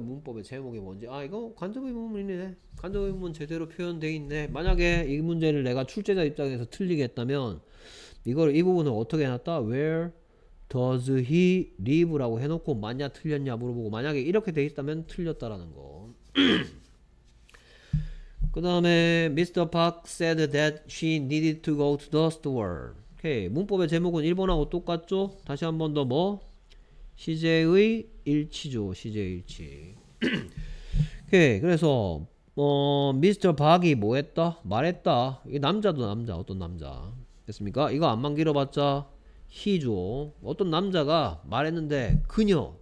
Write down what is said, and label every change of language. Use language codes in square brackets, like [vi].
[ko] 문법에 제목이 뭔지. 아 이거 간접 의문문이네. 간접 의문문 제대로 표현되어 있네. 만약에 이 문제를 내가 출제자 입장에서 틀리게 했다면 이걸 이 부분을 어떻게 해놨다? [en] Where does he live? [ko] 라고 해놓고 맞냐 틀렸냐 물어보고 만약에 이렇게 돼 있다면 틀렸다라는 거. 그 다음에 Mr. [en] Park said that she needed to go to the store. [ko] 오케이. 문법의 제목은 1번하고 똑같죠? 다시 한 번 더 뭐? 시제의 일치죠. 시제의 일치. 오케이. 그래서 미스터 박이 뭐 했다? 말했다. 이게 남자도 남자. 어떤 남자. 됐습니까? 이거 안만 길어봤자 he죠. 어떤 남자가 말했는데 그녀.